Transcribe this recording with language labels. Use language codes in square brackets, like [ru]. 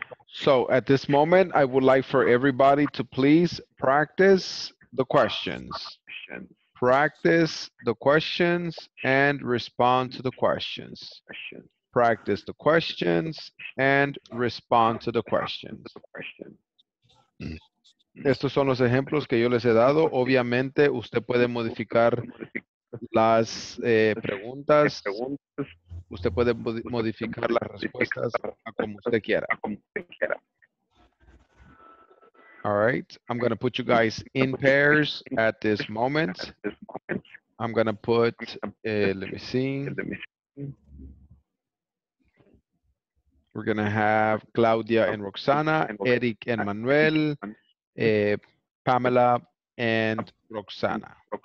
[en] So at this moment, I would like for everybody to please practice the questions. Practice the questions and respond to the questions. Practice the questions and respond to the questions. [es] Estos son los ejemplos que yo les he dado. Obviamente, usted puede modificar las preguntas. Usted puede modificar las respuestas a como usted quiera. [en] All right, I'm going to put you guys in pairs at this moment. I'm going to put, let me see. We're going to have Claudia and Roxana, Eric and Manuel, Pamela and Roxana.